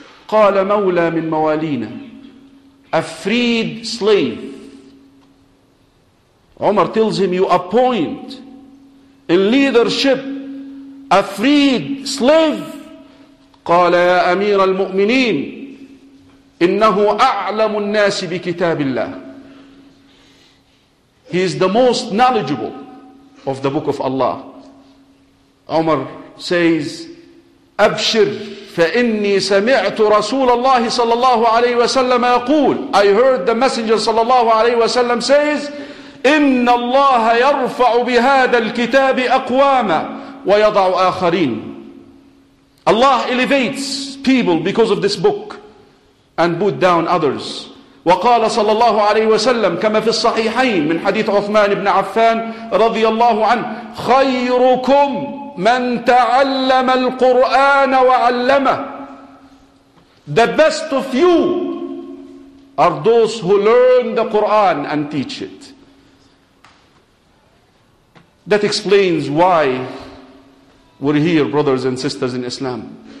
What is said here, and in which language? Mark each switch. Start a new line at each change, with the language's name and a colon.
Arabic: قال مولى من موالينا,
English: a freed slave. Umar tells him, you appoint in leadership a freed slave.
Arabic: قال يا أمير المؤمنين إنه أعلم الناس بكتاب الله.
English: He is the most knowledgeable of the book of Allah. Umar says,
Arabic: أبشر فإني سمعت رسول الله صلى الله عليه وسلم يقول,
English: I heard the messenger
Arabic: صلى الله عليه وسلم
English: says,
Arabic: إن الله يرفع بهذا الكتاب أقواما ويضع آخرين.
English: Allah elevates people because of this book and put down others.
Arabic: وقال صلى الله عليه وسلم كما في الصحيحين من حديث عثمان بن عفان رضي الله عنه, خيركم من تعلم القرآن وعلمه.
English: The best of you are those who learn the Quran and teach it. That explains why we're here, brothers and sisters in Islam.